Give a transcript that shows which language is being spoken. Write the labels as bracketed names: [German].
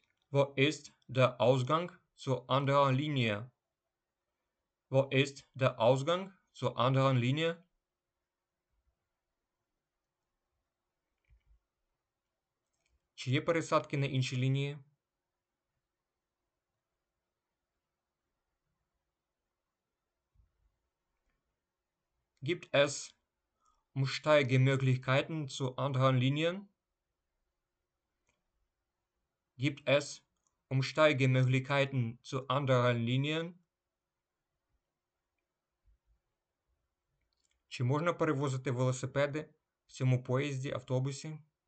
[German] Wo ist der Ausgang zur anderen Linie? Wo ist der Ausgang zur anderen Linie? [Ukrainian] Чи є пересадки на іншій лінії? [German] Gibt es Umsteigemöglichkeiten zu anderen Linien? Gibt es Umsteigemöglichkeiten zu anderen Linien? [Ukrainian] Чи можна перевозити велосипеди в цьому поїзді, автобусі?